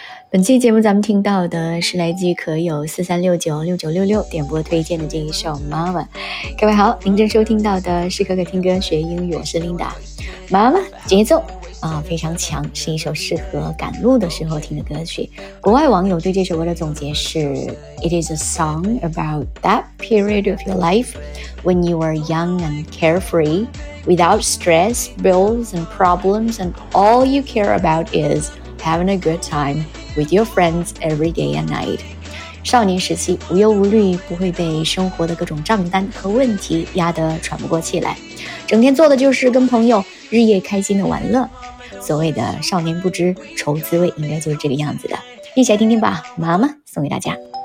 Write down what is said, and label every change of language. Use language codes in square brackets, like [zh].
[zh] 本期节目咱们听到的是来自于可友43696966点播推荐的这一首 Mama。各位好，您正收听到的是可可听歌学英语，我是 Linda。 Mama 节奏非常强，是一首适合赶路的时候听的歌曲。国外网友对这首歌的总结是 [en] It is a song about that period of your life when you were young and carefree without stress, bills and problems and all you care about is having a good timeWith your friends every day and night. [zh] 少年时期无忧无虑，不会被生活的各种账单和问题压得喘不过气来，整天做的就是跟朋友日夜开心的玩乐。所谓的少年不知愁滋味，应该就是这个样子的。一起来听听吧，妈妈送给大家。